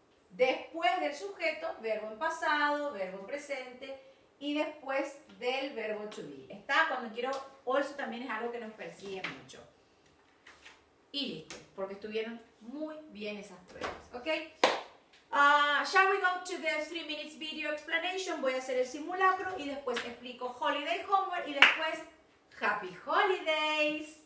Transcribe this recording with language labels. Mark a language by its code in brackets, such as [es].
[es] Después del sujeto, verbo en pasado, verbo en presente, y después del verbo to be. Está cuando quiero, also también es algo que nos persigue mucho. Y listo, porque estuvieron muy bien esas pruebas, ¿ok? [en] Shall we go to the 3 minutes video explanation? [es] Voy a hacer el simulacro y después explico [en] holiday homework [es] y después [en] happy holidays.